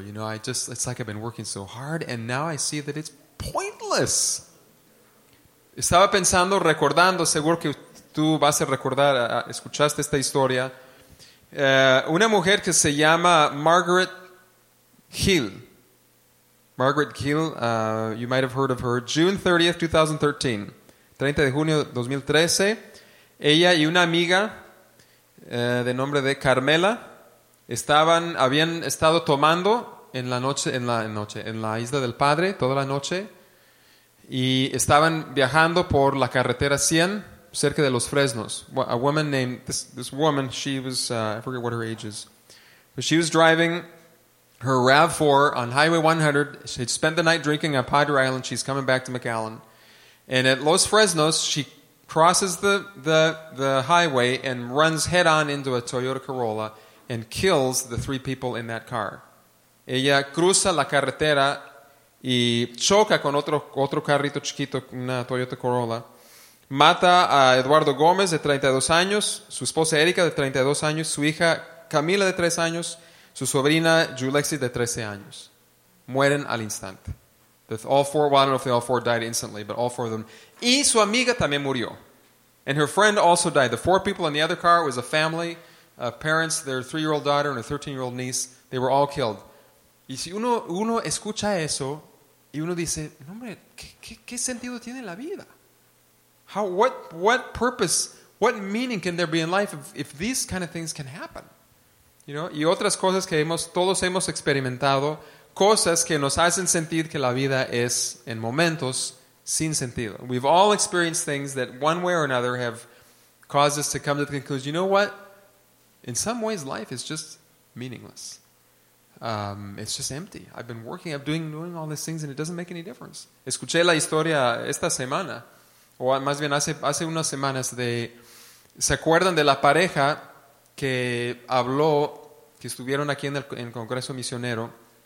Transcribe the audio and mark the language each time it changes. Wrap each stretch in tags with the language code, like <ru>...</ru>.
<en>You know, it's like I've been working so hard and now I see that it's pointless.</en> <es>Estaba pensando, recordando, seguro que tú vas a recordar, escuchaste esta historia, una mujer que se llama Margaret Hill.</es> <en>Margaret Hill, you might have heard of her. June 30th, 2013.</en> <es>30 de junio de 2013. Ella y una amiga de nombre de Carmela habían estado tomando en la Isla del Padre toda la noche. Y estaban viajando por la carretera 100 cerca de Los Fresnos.</es> <en>A woman named this woman, she was I forget what her age is, but she was driving her RAV4 on Highway 100. She had spent the night drinking on Padre Island. She's coming back to McAllen, and at Los Fresnos she crosses the highway and runs head on into a Toyota Corolla and kills the three people in that car.</en> <es>Ella cruza la carretera y choca con otro carrito chiquito, una Toyota Corolla. Mata a Eduardo Gómez, de 32 años, su esposa Erika, de 32 años, su hija Camila, de 3 años, su sobrina Julexis, de 13 años. Mueren al instante.</es> <en>All four, well, I don't know if they all four died instantly, but all four of them.</en> <es>Y su amiga también murió.</es> <en>And her friend also died. The four people in the other car was a family, parents, their 3-year-old daughter and a 13-year-old niece. They were all killed.</en> <es>Y si uno escucha eso y uno dice, hombre, ¿qué sentido tiene la vida?</es> <en>What purpose, what meaning can there be in life if these kind of things can happen?</en> <es>You know, y otras cosas que todos hemos experimentado, cosas que nos hacen sentir que la vida es en momentos sin sentido.</es> <en>We've all experienced things that one way or another have caused us to come to the conclusion, you know what? In some ways life is just meaningless. It's just empty. I've been working, I'm doing all these things and it doesn't make any difference.</en> <es>Escuché la historia esta semana, o más bien hace unas semanas, de, ¿se acuerdan de la pareja que habló, que estuvieron aquí en el Congreso Misionero?</es>